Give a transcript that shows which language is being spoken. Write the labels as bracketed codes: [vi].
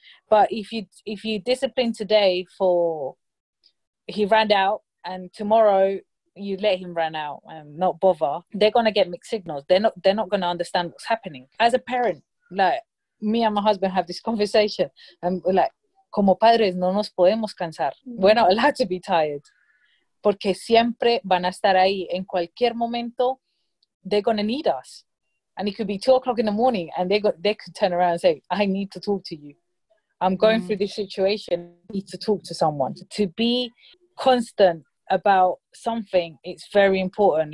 [en] But if you discipline today for, he ran out, and tomorrow you let him run out and not bother, they're gonna get mixed signals. They're not gonna understand what's happening. As a parent, like, me and my husband have this conversation, and we're like, [es] como padres no nos podemos cansar. [en] We're not allowed to be tired. [es] Porque siempre van a estar ahí. En cualquier momento, [en] they're going to need us. And it could be 2 o'clock in the morning and they could turn around and say, I need to talk to you. I'm going through this situation. I need to talk to someone. To be constant about something, it's very important.